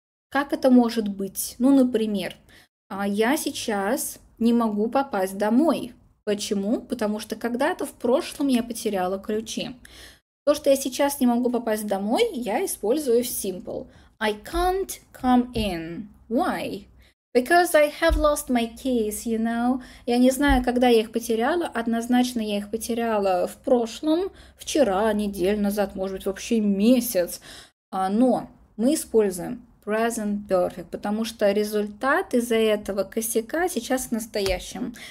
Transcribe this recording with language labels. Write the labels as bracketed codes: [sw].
[ru] Как это может быть? Ну, например, я сейчас не могу попасть домой. Почему? Потому что когда-то в прошлом я потеряла ключи. То, что я сейчас не могу попасть домой, я использую simple. [en] I can't come in. Why? Because I have lost my keys, you know. [ru] Я не знаю, когда я их потеряла. Однозначно я их потеряла в прошлом, вчера, неделю назад, может быть, вообще месяц. Но мы используем present perfect, потому что результат из-за этого косяка сейчас в настоящем.